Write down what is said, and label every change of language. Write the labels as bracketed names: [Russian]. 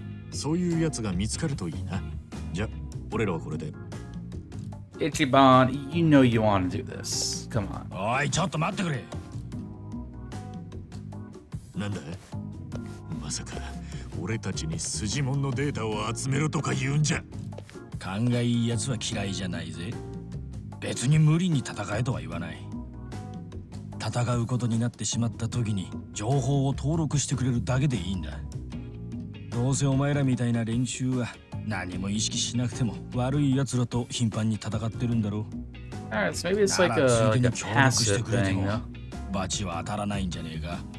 [Japanese] そういうやつが見つかるといいな。じゃ、俺らはこれで。 [English] Ichiban, you know you want to do this. Come on. [Japanese] おい、ちょっと待ってくれ。なんだ？まさか、俺たちに筋物のデータを集めるとか言うんじゃ。勘がいいやつは嫌いじゃないぜ。別に無理に戦えとは言わない。戦うことになってしまった時に情報を登録してくれるだけでいいんだ。どうせお前らみたいな連中は何も意識しなくても悪いやつらと頻繁に戦ってるんだろう。 [English] Alright, so maybe it's like a passive thing. [Japanese] バチは当たらないんじゃねえか。